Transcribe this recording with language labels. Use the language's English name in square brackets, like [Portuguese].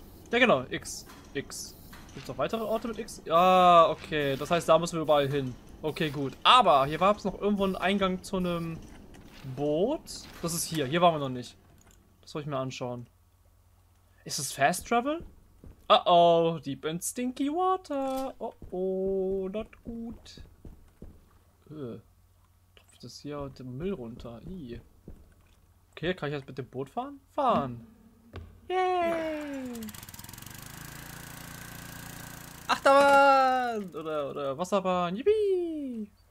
[German] Ja, genau. X. X. Gibt es noch weitere Orte mit X? Ja, okay. Das heißt, da müssen wir überall hin. Okay, gut. Aber hier war es noch irgendwo einen Eingang zu einem Boot. Das ist hier. Hier waren wir noch nicht. Das soll ich mir anschauen. Ist es Fast Travel? [English] Oh, deep and stinky water. Oh, not good. [German] Tropft das hier mit dem Müll runter. Okay, kann ich jetzt mit dem Boot fahren? Fahren! Yay! Achterbahn! Oder Wasserbahn! Yippie!